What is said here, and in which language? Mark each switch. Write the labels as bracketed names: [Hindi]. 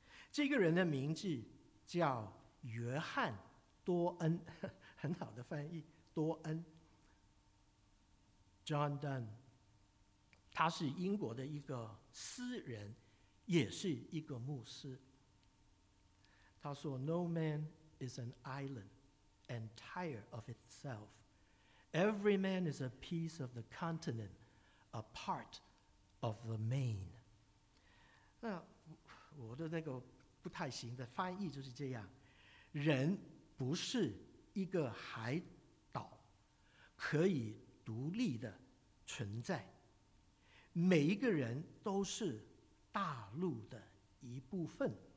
[Chinese] 这个人的名字叫约翰多恩，很好的翻译，多恩 John Donne。他是英国的一个诗人，也是一个牧师。他说， [English] No man is an island and tired of itself. Every man is a piece of the continent, a part of the main. [Chinese] 那我的那个不太行的翻译就是这样，人不是一个海岛可以独立的存在，每一个人都是大陆的一部分。